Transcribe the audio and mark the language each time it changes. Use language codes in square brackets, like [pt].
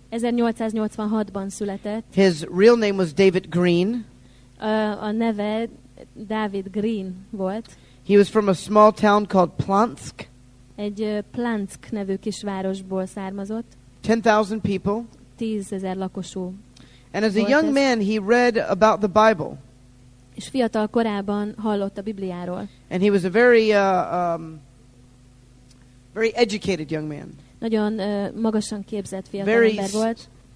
[hu] 1886-ban született. [en] His real name was David Green. [hu] A neve David Green volt. [en] He was from a small town called Plansk. [hu] Egy Plansk nevű kisvárosból származott. [en] 10,000 people. [hu] 10,000 lakosú. [en] And as a young man, he read about the Bible. [hu] És fiatal korában hallott a Bibliáról. [en] And he was a very very educated young man. [hu] Nagyon magasan képzett fiatal very ember volt.